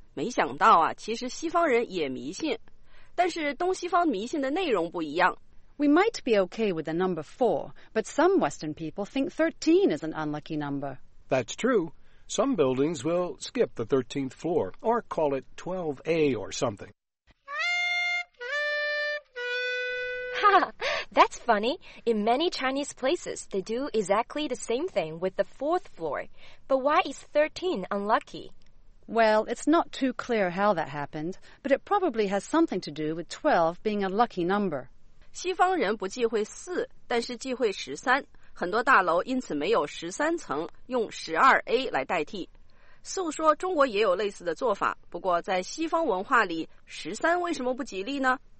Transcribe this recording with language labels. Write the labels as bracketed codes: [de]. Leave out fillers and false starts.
[zh] 没想到啊，其实西方人也迷信。但是东西方迷信的内容不一样。 [en] We might be okay with the number 4, but some Western people think 13 is an unlucky number. That's true. Some buildings will skip the 13th floor, or call it 12A or something. That's funny. In many Chinese places, they do exactly the same thing with the 4th floor. But why is 13 unlucky? Well, it's not too clear how that happened, but it probably has something to do with 12 being a lucky number. [zh] 西方人不忌讳4，但是忌讳13。很多大楼因此没有13层，用 12A 来代替。素说中国也有类似的做法，不过在西方文化里，13为什么不吉利呢？